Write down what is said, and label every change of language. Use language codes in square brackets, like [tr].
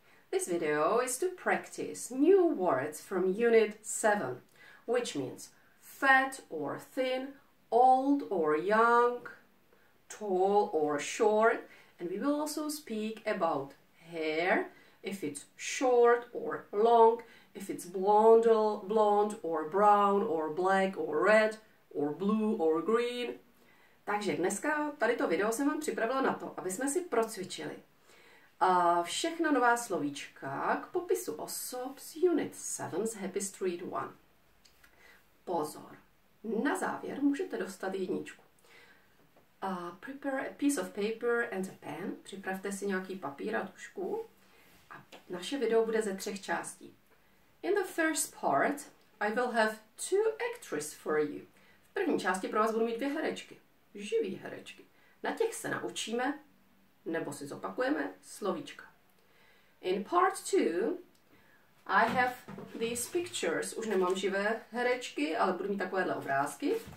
[en] This video is to practice new words from Unit 7, which means fat or thin, old or young, tall or short. And we will also speak about hair, if it's short or long, if it's blonde or brown or black or red or blue or green. [cs] Takže dneska tady to video jsem vám připravila na to, aby jsme si procvičili všechna nová slovíčka k popisu osob z Unit 7 z Happy Street 1. Pozor, na závěr můžete dostat jedničku. [en] Prepare a piece of paper and a pen. [cs] Připravte si nějaký papír a tušku. A naše video bude ze třech částí. [en] In the first part, I will have two actresses for you. [cs] V první části pro vás budu mít dvě herečky. Živý herečky. Na těch se naučíme, nebo si zopakujeme, slovíčka. [en] In part 2, I have these pictures. [cs] Už nemám živé herečky, ale budu mít takovéhle obrázky.